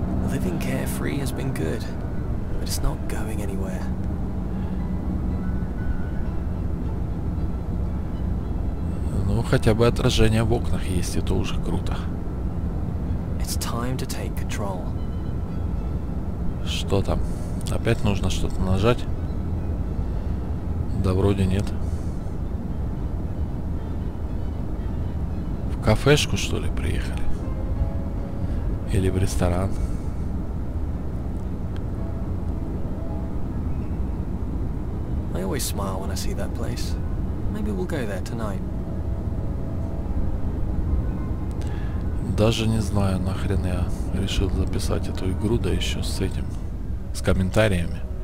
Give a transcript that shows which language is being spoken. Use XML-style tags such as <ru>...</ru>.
<en>Living carefree has been good, but it's not going anywhere.</en> <ru>Ну, хотя бы отражение в окнах есть, это уже круто.</ru> <en>It's time to take control.</en> <ru>Что там? Опять нужно что-то нажать? Да вроде нет. Кафешку, что ли, приехали? Или в ресторан?</ru> <en>I always smile when I see that place. Maybe we'll go there tonight.</en> <ru>Даже не знаю, нахрен я решил записать эту игру, да еще с этим, с комментариями.</ru>